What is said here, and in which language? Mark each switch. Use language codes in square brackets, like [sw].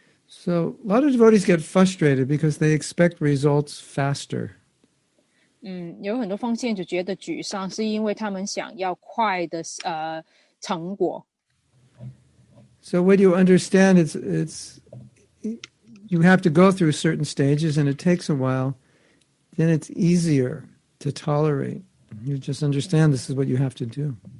[en] So a lot of devotees get frustrated because they expect results faster. [zh] 有很多奉献就觉得沮丧，是因为他们想要快的成果。 [en] So when you understand it's you have to go through certain stages and it takes a while, then it's easier to tolerate. You just understand this is what you have to do.